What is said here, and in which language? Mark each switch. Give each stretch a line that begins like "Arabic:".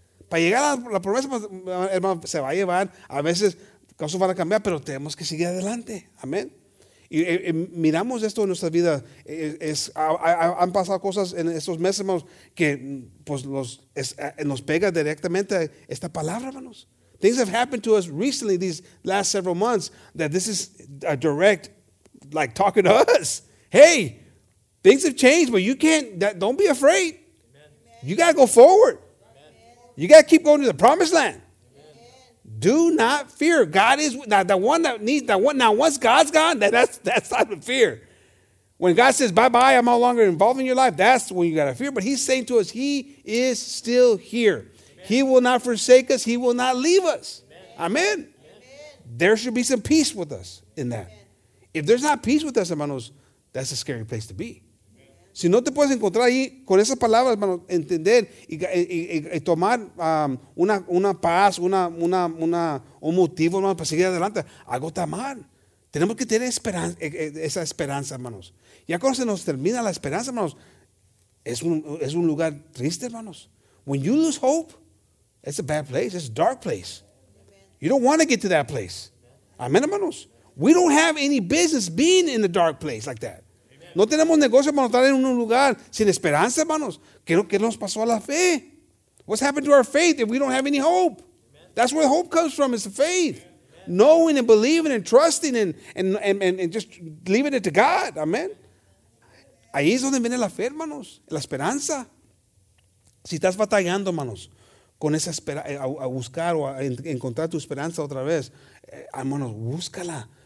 Spanish: Para llegar a la promesa, hermano, se va a llevar. A veces cosas van a cambiar, pero tenemos que seguir adelante. Amén. Y miramos esto en nuestra vida. Han pasado cosas en estos meses, hermanos, que pues nos pega directamente esta palabra, hermanos.
English: Things have happened to us recently, these last several months, that this is a direct, like, talking to us. Hey, things have changed, but you can't, don't be afraid. Amen. You got to go forward. Amen. You got to keep going to the promised land. Amen. Do not fear. God is, once God's gone, that's time to fear. When God says, bye-bye, I'm no longer involved in your life, that's when you got to fear. But he's saying to us, he is still here. He will not forsake us. He will not leave us. Amen. Amen. Amen. There should be some peace with us in that. Amen. If there's not peace with us, hermanos, that's a scary place to be.
Spanish: Amen. Si no te puedes encontrar ahí con esas palabras, hermanos, entender y tomar una paz, una un motivo, hermanos, para seguir adelante, algo está mal. Tenemos que tener esa esperanza, hermanos. Ya cuando se nos termina la esperanza, hermanos, es un lugar triste, hermanos.
English: When you lose hope, it's a bad place. It's a dark place. Amen. You don't want to get to that place. Amen, hermanos. We don't have any business being in a dark place like that. Amen.
Spanish: No tenemos negocio, hermanos, estar en un lugar sin esperanza, hermanos. ¿Qué nos pasó a la fe?
English: What's happened to our faith if we don't have any hope? That's where hope comes from, is the faith. Knowing and believing and trusting and just leaving it to God.
Spanish: Amen. Ahí es donde viene la fe, hermanos. La esperanza. Si estás batallando, hermanos, con esa esperanza, a buscar o a encontrar tu esperanza otra vez, hermanos, búscala.